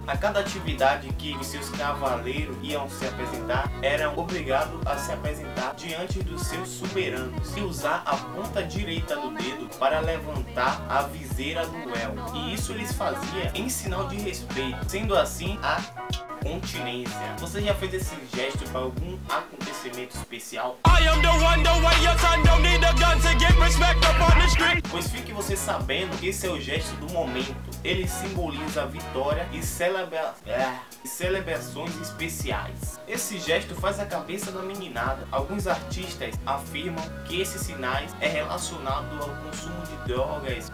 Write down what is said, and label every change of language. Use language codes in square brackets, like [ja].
[pt] A cada atividade que os seus cavaleiros iam se apresentar, eram obrigados a se apresentar diante dos seus soberanos e usar a ponta direita do dedo para levantar a viseira do elmo. E isso eles faziam em sinal de respeito, sendo assim a continência. Você já fez esse gesto para algum acontecimento especial? [en] I am the one, the way your son don't need a gun to get respect up on the street. [pt] Pois fique você sabendo que esse é o gesto do momento. Ele simboliza a vitória e celebrações especiais. Esse gesto faz a cabeça da meninada. Alguns artistas afirmam que esses sinais é relacionado ao consumo de drogas.